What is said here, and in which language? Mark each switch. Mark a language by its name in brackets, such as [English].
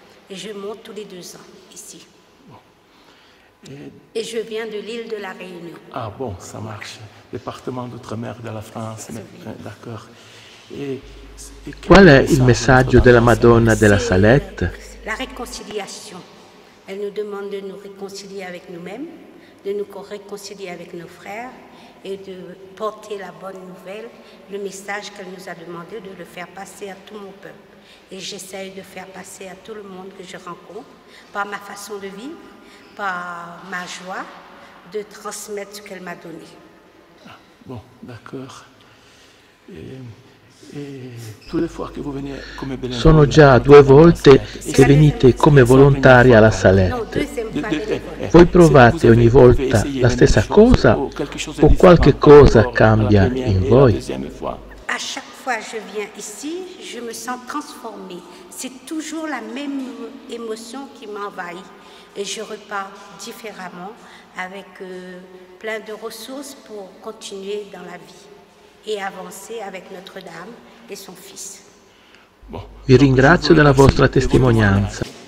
[French] Et je monte tous les deux ans ici. Bon. Et je viens de l'île de la Réunion. Ah bon, ça marche. Département d'outre-mer de la France, d'accord. [Italian] Et qual è il messaggio della Madonna della Salette? [French] La réconciliation. Elle nous demande de nous réconcilier avec nous-mêmes. De nous réconcilier avec nos frères et de porter la bonne nouvelle, le message qu'elle nous a demandé de le faire passer à tout mon peuple. Et j'essaye de faire passer à tout le monde que je rencontre, par ma façon de vivre, par ma joie, de transmettre ce qu'elle m'a donné. Ah, bon, d'accord. Toutes les fois que vous venez comme bénévole. [Italian] Sono già due volte che venite come volontaria alla Salette. Voi provate ogni volta la stessa cosa o qualche cosa cambia in voi? [French] À chaque fois je viens ici, je me sens transformée. C'est toujours la même émotion qui m'envahit et je repars différemment avec plein de ressources pour continuer dans la vie. [Italian] E avanzare [French] avec Notre Dame e son fils. [Italian] Vi ringrazio della vostra testimonianza.